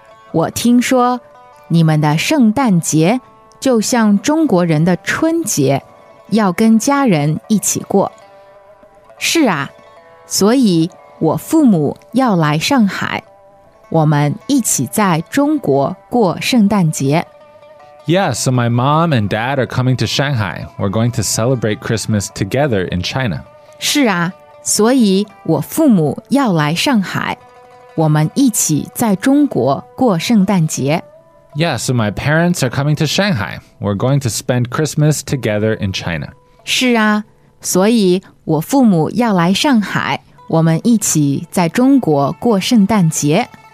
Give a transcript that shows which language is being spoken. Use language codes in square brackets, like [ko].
[zh] 我听说你们的圣诞节 就像中国人的春节，要跟家人一起过。是啊，所以我父母要来上海，我们一起在中国过圣诞节。 [en] Yeah, so my mom and dad are coming to Shanghai. We're going to celebrate Christmas together in China. [zh] 是啊，所以我父母要来上海，我们一起在中国过圣诞节。 [en] Yeah, so my parents are coming to Shanghai. We're going to spend Christmas together in China. [zh] 是啊，所以我父母要来上海，我们一起在中国过圣诞节。